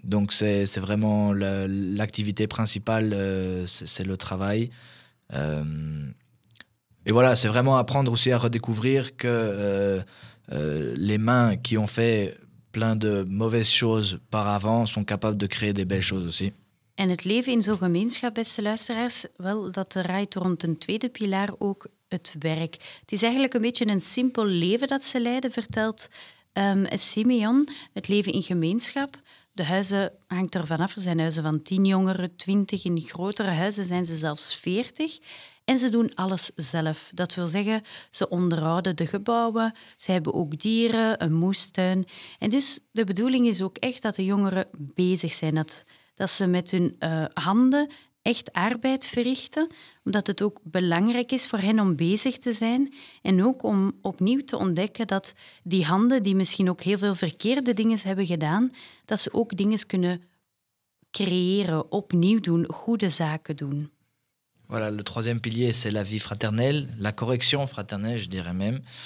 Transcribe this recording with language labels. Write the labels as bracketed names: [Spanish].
[French] Donc, c'est vraiment l'activité principale, c'est le travail. Et voilà, c'est vraiment apprendre aussi à redécouvrir que les mains qui ont fait plein de mauvaises choses par avant sont capables de créer des belles choses aussi. [Dutch] En het leven in zo'n gemeenschap, beste luisteraars, wel, dat draait rond een tweede pilaar ook het werk. Het is eigenlijk een beetje een simpel leven dat ze leiden, vertelt Simeon. Het leven in gemeenschap. De huizen hangt er vanaf. Er zijn huizen van 10 jongeren, 20. In grotere huizen zijn ze zelfs 40. En ze doen alles zelf. Dat wil zeggen, ze onderhouden de gebouwen, ze hebben ook dieren, een moestuin. En dus de bedoeling is ook echt dat de jongeren bezig zijn, dat ze met hun handen echt arbeid verrichten, omdat het ook belangrijk is voor hen om bezig te zijn en ook om opnieuw te ontdekken dat die handen, die misschien ook heel veel verkeerde dingen hebben gedaan, dat ze ook dingen kunnen creëren, opnieuw doen, goede zaken doen. [French] Voilà, le troisième pilier, c'est la vie fraternelle, la correction fraternelle, je dirais même.